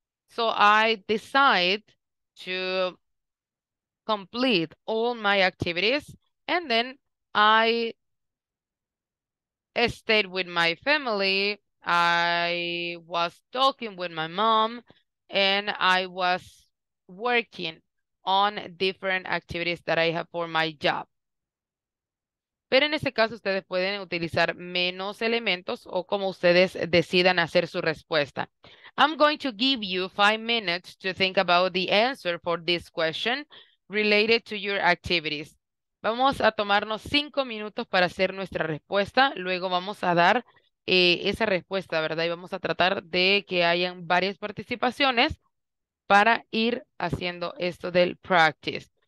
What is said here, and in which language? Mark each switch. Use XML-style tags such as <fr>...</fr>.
<en>So I decided to complete all my activities and then I stayed with my family. I was talking with my mom and I was working on different activities that I have for my job.</en> <es>Pero en este caso ustedes pueden utilizar menos elementos o como ustedes decidan hacer su respuesta.</es> <en>I'm going to give you 5 minutes to think about the answer for this question related to your activities.</en> <es>Vamos a tomarnos 5 minutos para hacer nuestra respuesta. Luego vamos a dar esa respuesta, ¿verdad? Y vamos a tratar de que hayan varias participaciones para ir haciendo esto del practice.</es>